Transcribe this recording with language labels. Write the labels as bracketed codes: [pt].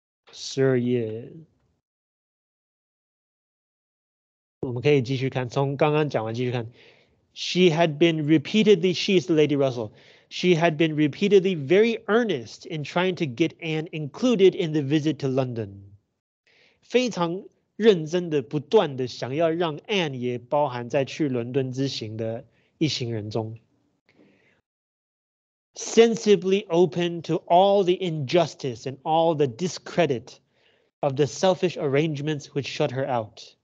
[zh] 十二页，我们可以继续看，从刚刚讲完继续看。 [en] She had been repeatedly, she's Lady Russell, she had been repeatedly very earnest in trying to get Anne included in the visit to London. [zh] 非常认真的不断的想要让 Anne 也包含在去伦敦之行的一行人中。 [en] Sensibly open to all the injustice and all the discredit of the selfish arrangements which shut her out.